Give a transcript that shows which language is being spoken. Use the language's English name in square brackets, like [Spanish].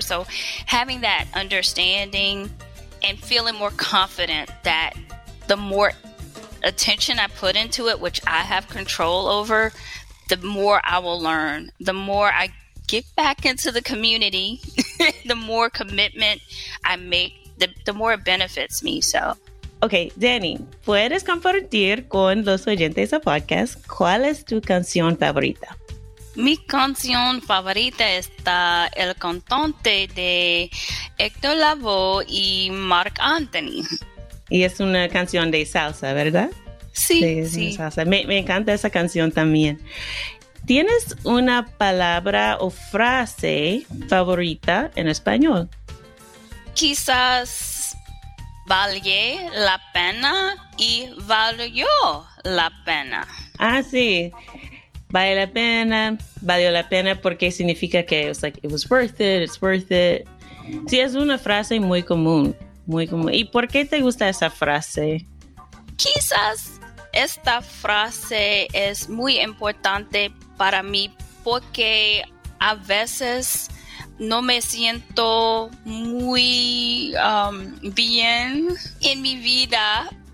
[English] So having that understanding and feeling more confident that the more attention I put into it, which I have control over, the more I will learn. The more I get back into the community, the more commitment I make, the more it benefits me. So. [Spanish] Okay, Dani, ¿puedes compartir con los oyentes del podcast cuál es tu canción favorita? Mi canción favorita está el cantante de Héctor Lavoe y Marc Anthony. Y es una canción de salsa, ¿verdad? Sí, sí. Salsa. Me encanta esa canción también. ¿Tienes una palabra o frase favorita en español? Quizás valió la pena y valió la pena. Ah, sí. Vale la pena, valió la pena, porque significa que [English] it's like, it was worth it, [Spanish] it's worth it. Sí, es una frase muy común, muy común. ¿Y por qué te gusta esa frase? Quizás esta frase es muy importante para mí porque a veces no me siento muy bien en mi vida.